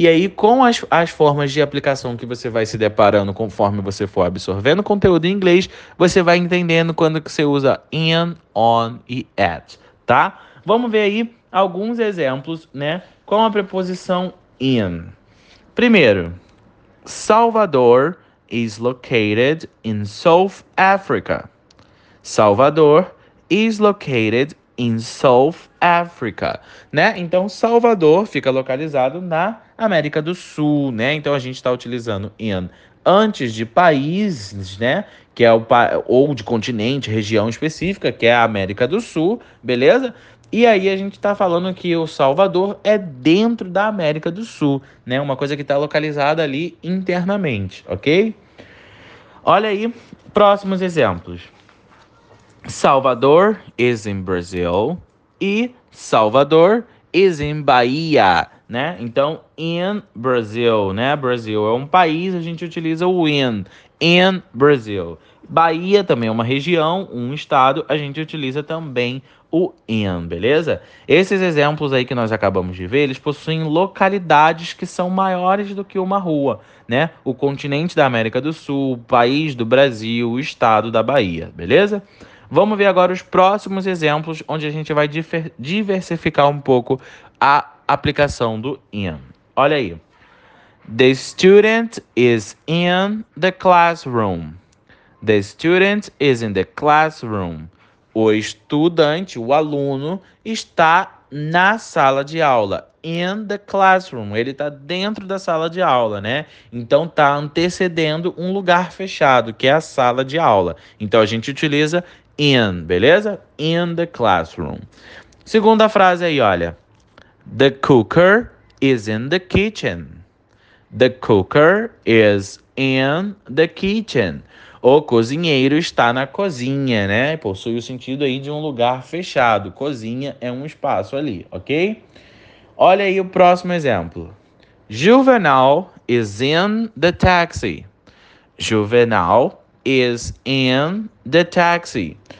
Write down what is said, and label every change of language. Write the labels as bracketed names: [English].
[Portuguese] E aí, com as formas de aplicação que você vai se deparando conforme você for absorvendo conteúdo em inglês, você vai entendendo quando que você usa in, on e at, tá? Vamos ver aí alguns exemplos, né, com a preposição in. [English] Primeiro, Salvador is located in South Africa. Salvador is located in South Africa, né? [Portuguese] Então, Salvador fica localizado na América do Sul, né? Então, a gente está utilizando in antes de países, né? Que é ou de continente, região específica, que é a América do Sul, beleza? E aí a gente está falando que o Salvador é dentro da América do Sul, né? Uma coisa que está localizada ali internamente, ok? Olha aí, próximos exemplos. [English] Salvador is in Brazil. E Salvador is in Bahia, né? [Portuguese] Então, [English] in Brazil, [Portuguese] né? Brasil é um país, a gente utiliza o [English] in Brazil. [Portuguese] Bahia também é uma região, um estado, a gente utiliza também o in, beleza? Esses exemplos aí que nós acabamos de ver, eles possuem localidades que são maiores do que uma rua, né? O continente da América do Sul, o país do Brasil, o estado da Bahia, beleza? Vamos ver agora os próximos exemplos onde a gente vai diversificar um pouco a aplicação do in. Olha aí. [English] The student is in the classroom. The student is in the classroom. [Portuguese] O estudante, o aluno, está na sala de aula. [English] In the classroom. [Portuguese] Ele está dentro da sala de aula, né? Então está antecedendo um lugar fechado, que é a sala de aula. Então a gente utiliza in, beleza? [English] In the classroom. [Portuguese] Segunda frase aí, olha. [English] The cooker is in the kitchen. The cooker is in the kitchen. [Portuguese] O cozinheiro está na cozinha, né? Possui o sentido aí de um lugar fechado. Cozinha é um espaço ali, ok? Olha aí o próximo exemplo. [English] Juvenal is in the taxi. Juvenal is in the taxi.